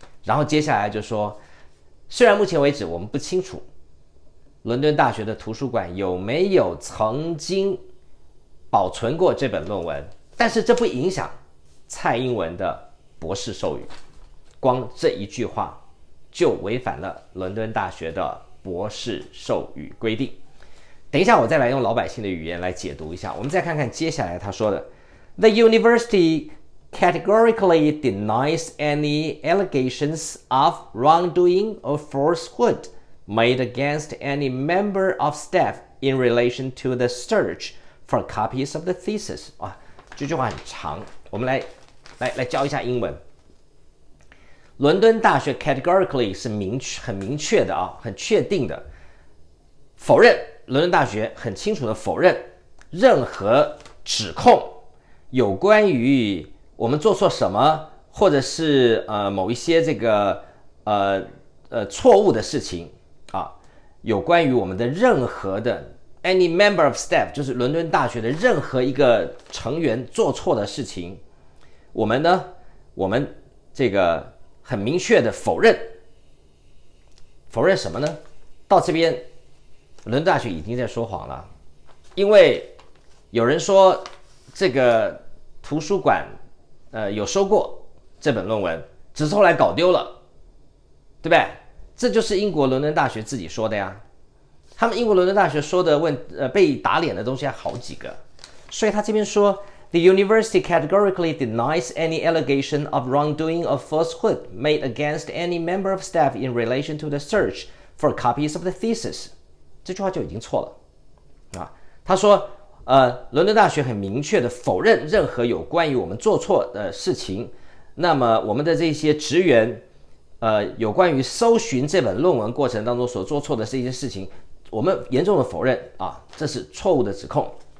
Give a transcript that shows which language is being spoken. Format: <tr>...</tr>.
<zh>然后接下来就说，虽然目前为止我们不清楚伦敦大学的图书馆有没有曾经保存过这本论文，但是这不影响蔡英文的博士授予，光这一句话就违反了伦敦大学的博士授予规定。等一下我再来用老百姓的语言来解读一下，我们再看看接下来他说的。</zh> <en>The university categorically denies any allegations of wrongdoing or falsehood made against any member of staff in relation to the search for copies of the thesis。</en> <zh>哇，这句话很长，我们来教一下英文。伦敦大学 categorically 是很明确的啊，很确定的否认，伦敦大学很清楚的否认任何指控，有关于我们做错什么，或者是某一些这个错误的事情啊，有关于我们的任何的</zh> <en>any member of staff，</en> <zh>就是伦敦大学的任何一个成员做错的事情，我们这个很明确的否认。否认什么呢？到这边伦敦大学已经在说谎了，因为有人说这个图书馆有收过这本论文，只是后来搞丢了，对不对？这就是英国伦敦大学自己说的呀。他们英国伦敦大学说的被打脸的东西还好几个，所以他这边说</zh> <en>The university categorically denies any allegation of wrongdoing or falsehood made against any member of staff in relation to the search for copies of the thesis。</en> <zh>这句话就已经错了，他说伦敦大学很明确的否认任何有关于我们做错的事情，那么我们的这些职员有关于搜寻这本论文过程当中所做错的这些事情，我们严重的否认啊，这是错误的指控。</zh>